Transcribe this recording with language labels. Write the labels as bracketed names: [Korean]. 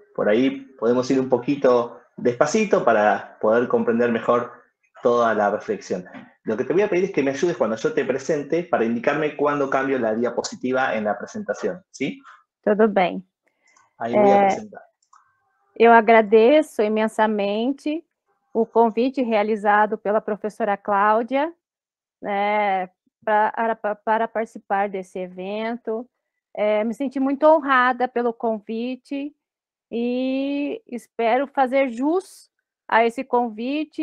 [Portuguese] Por aí podemos ir um pouquinho despacito para poder compreender melhor toda a reflexão. [Spanish] Lo que te voy a pedir es que me ayudes cuando yo te presente para indicarme cuando cambio la diapositiva en la presentación, ¿sí? [Portuguese] Tudo bem. [Spanish] Aí voy a presentar. [Portuguese] Eu agradeço imensamente o convite realizado pela professora Cláudia, né? Para participar desse evento. Me senti muito honrada pelo convite e espero fazer jus a esse convite.